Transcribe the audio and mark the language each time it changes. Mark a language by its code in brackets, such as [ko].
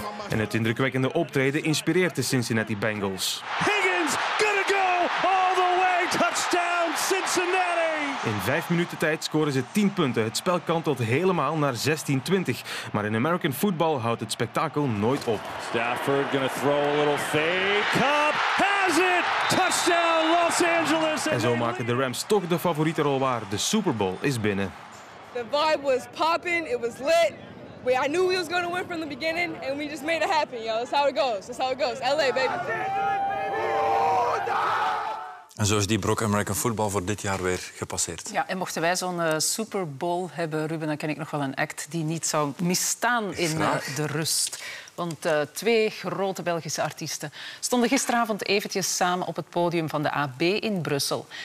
[nl] En het indrukwekkende optreden inspireert de Cincinnati Bengals. [en] Higgins, gonna go all the way, touchdown Cincinnati! [nl] In 5 minuten tijd scoren ze 10 punten. Het spel kantelt helemaal naar 16-20. Maar in American football houdt het spektakel nooit op. [en] Stafford gonna throw a little fake up. Has it! Touchdown Los Angeles! [nl] En zo maken de Rams toch de favoriete rol waar. De Super Bowl is binnen. [en] The vibe was popping, it was lit. I knew we was going to win from the beginning and we just made it happen, yo. That's how it goes. That's how it goes. LA, baby. [nl] En zo is die brok American Football voor dit jaar weer gepasseerd. Ja, en mochten wij zo'n Super Bowl hebben, Ruben, dan ken ik nog wel een act die niet zou misstaan in de rust. Want 2 grote Belgische artiesten stonden gisteravond eventjes samen op het podium van de AB in Brussel.